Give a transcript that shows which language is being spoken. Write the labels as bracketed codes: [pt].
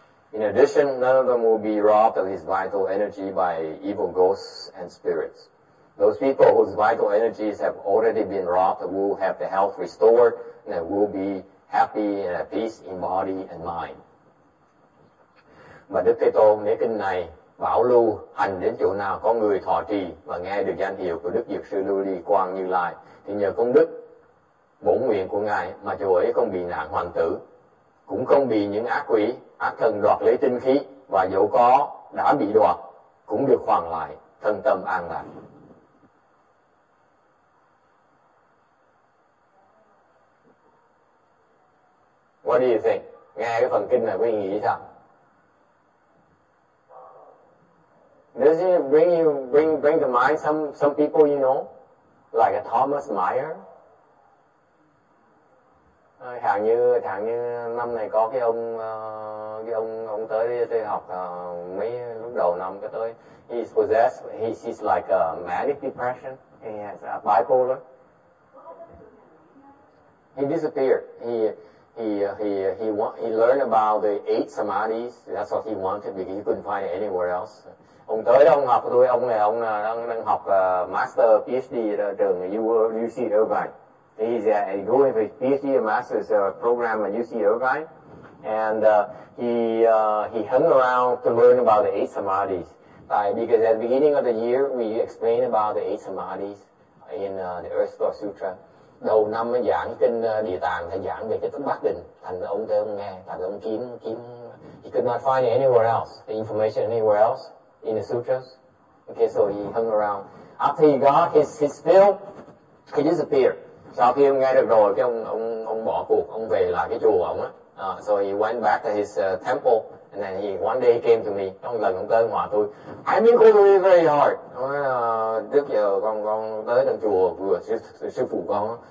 [en] In addition, none of them will be robbed of his vital energy by evil ghosts and spirits. Those people whose vital energies have already been robbed will have their health restored and will be happy and at peace in body and mind. [vi] Và Đức Thế Tôn nghĩa kinh này bảo lưu hành đến chỗ nào có người thọ trì và nghe được danh hiệu của Đức Dược Sư Lưu Ly Quang Như Lai thì nhờ công đức bổn nguyện của Ngài mà chỗ ấy không bị nạn hoàng tử, cũng không bị những ác quỷ, ác thần đoạt lấy tinh khí, và dẫu có đã bị đoạt, cũng được hoàn lại thân tâm an lạc. [en] What do you think? [vi] Nghe cái phần kinh này có ý nghĩa sao? [en] Does it bring you bring to mind some people you know, like a Thomas Meyer? [vi] Hàng như năm này có cái ông tới học mấy lúc đầu năm cái tới. [en] He's possessed. He's like a manic depression. He has a bipolar. He disappeared. He learned about the eight samadhis. That's what he wanted because he couldn't find it anywhere else. [vi] Ông tới đó ông học của tôi, ông này ông đang học Master PhD ở trường UC Irvine. [en] He's going for his PhD or Master's program at UC Irvine. And he hung around to learn about the eight samadhis. Because at the beginning of the year, we explained about the eight samadhis in the Earth Store Sutra. [vi] Đầu năm giảng trên địa tạng, thầy giảng về cái tức bất định. Thành ông tới ông nghe, thành ông kiếm. [en] He could not find anywhere else, the information anywhere else. In the sutras. Okay, so he hung around. After he got his fill, he disappeared. [vi] Sau khi ông nghe được rồi, cái ông bỏ cuộc, ông về lại cái chùa ông á. [en] So he went back to his temple, and then one day he came to me. [vi] Ông lần ông tới ngoài tôi. [en] I've been going really very hard. [vi] Ông nói, Đức giờ con tới trong chùa vừa sư phụ con á.